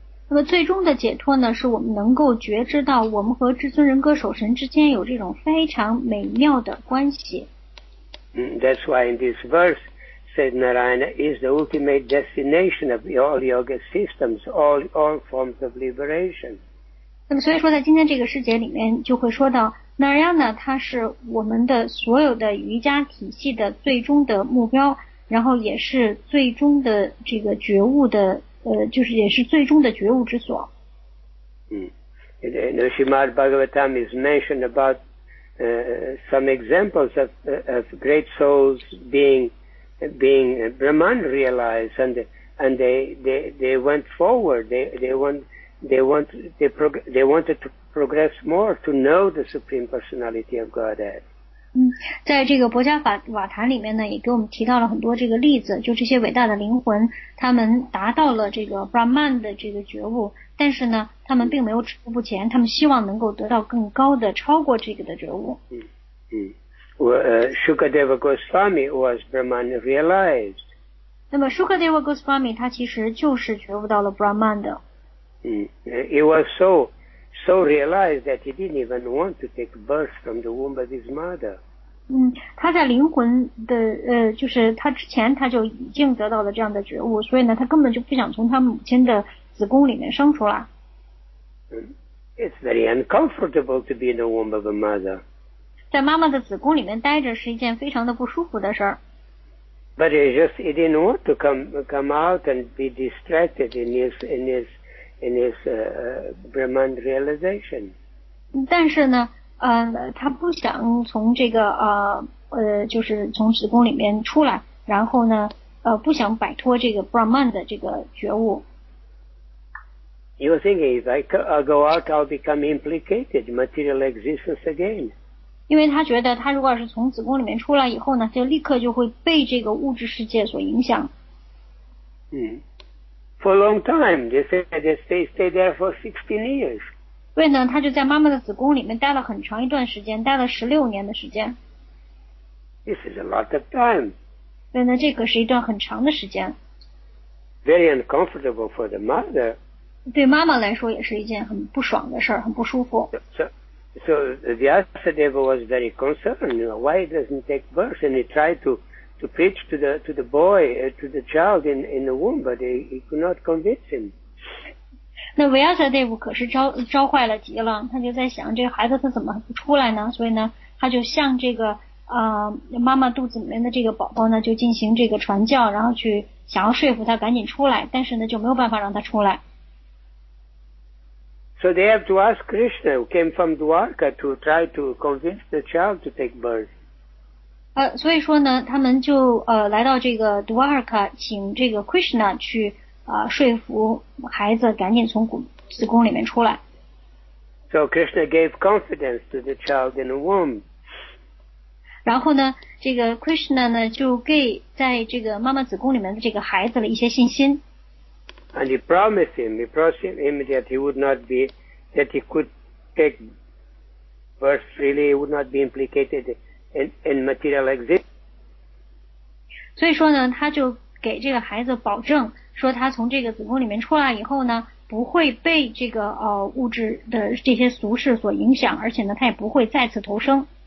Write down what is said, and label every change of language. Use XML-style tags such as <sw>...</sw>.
<zh>那么最终的解脱呢，是我们能够觉知到我们和至尊人格守神之间有这种非常美妙的关系。</zh> <en>That's why in this verse, said Narayana is the ultimate destination of all yoga systems, all forms of liberation.</en> <zh>那么所以说在今天这个师节里面就会说到 Narayana 它是我们的所有的瑜伽体系的最终的目标，然后也是最终的这个觉悟的就是也是最终的觉悟之所。</zh> <en>Srimad Bhagavatam is mentioned about some examples of great souls being Brahman realized, and they went forward, they wanted to progress more to know the Supreme Personality of Godhead.</en> <zh>在这个博伽法瓦坛里面呢，也给我们提到了很多这个例子，就这些伟大的灵魂，他们达到了这个 Brahman 的这个觉悟，但是呢，他们并没有止步不前，他们希望能够得到更高的、超过这个的觉悟。</zh> <en>Shukadeva Goswami was Brahman realized.</en> <zh>那么 Shukadeva Goswami 他其实就是觉悟到了 Brahman 的。</zh> <en>He was so realized that he didn't even want to take birth from the womb of his mother.</en> <zh>他在灵魂的就是他之前他就已经得到了这样的觉悟，所以呢，他根本就不想从他母亲的子宫里面生出来。</zh> <en>It's very uncomfortable to be in the womb of a mother.</en> <zh>在妈妈的子宫里面待着是一件非常的不舒服的事儿。</zh> <en>But he didn't want to come out and be distracted in his Brahman realization.</en> <zh>但是呢，他不想从这个就是从子宫里面出来，然后呢，不想摆脱这个 Brahman 的这个觉悟。</zh> <en>You think if I go out, I'll become implicated material existence again?</en> <zh>因为他觉得他如果是从子宫里面出来以后呢，就立刻就会被这个物质世界所影响。</zh> <en>For a long time, they said they stayed there for 16 years.</en> <zh>所以呢，他就在妈妈的子宫里面待了很长一段时间，待了16年的时间。</zh> <en>This is a lot of time.</en> <zh>所以呢，这可是一段很长的时间。</zh> <en>Very uncomfortable for the mother.</en> <zh>对妈妈来说也是一件很不爽的事，很不舒服。</zh> <en>So Vyasadeva was very concerned. You know, why it doesn't take birth? And he tried to preach to the boy, to the child in the womb, but he could not convince him.</en> <zh>那维亚塞德夫可是招坏了急了，他就在想这个孩子他怎么不出来呢？所以呢，他就向这个妈妈肚子里面的这个宝宝呢，就进行这个传教，然后去想要说服他赶紧出来，但是呢，就没有办法让他出来。</zh> <en>So they have to ask Krishna, who came from Dwarka, to try to convince the child to take birth.</en> <zh>所以说呢，他们就来到这个 Dwarka, 请这个 Krishna 去说服孩子赶紧从子宫里面出来。</zh> <en>So Krishna gave confidence to the child in the womb.</en> <zh>然后呢，这个 Krishna 呢就给在这个妈妈子宫里面的这个孩子了一些信心。</zh> <en>And he promised him that he would not be, that he could take birth freely, he would not be implicated in material existence.</en> <zh>所以说呢，他就给这个孩子保证，说他从这个子宫里面出来以后呢，不会被这个物质的这些俗事所影响，而且呢，他也不会再次投生。</zh>